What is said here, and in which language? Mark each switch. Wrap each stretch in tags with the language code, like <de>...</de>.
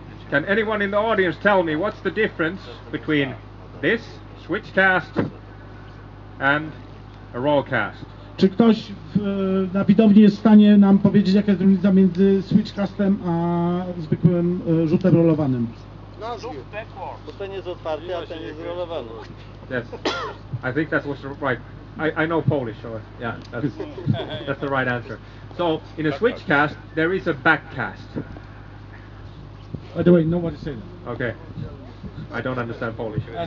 <en>Can anyone in the audience tell me what's the difference between this switch cast and a raw cast?</en> <pl>Czy ktoś na widowni jest w stanie nam powiedzieć, jaka jest różnica między switch castem a zwykłym rzutem rolowanym? No, rzut backward. Bo ten jest otwarty, a ten jest rolowany.</pl> <en>Yes. I think that was right. I know Polish, so yeah, that's the right answer. So in a switch cast, there is a back cast. By the way, nobody said that. Okay, I don't understand Polish.</en>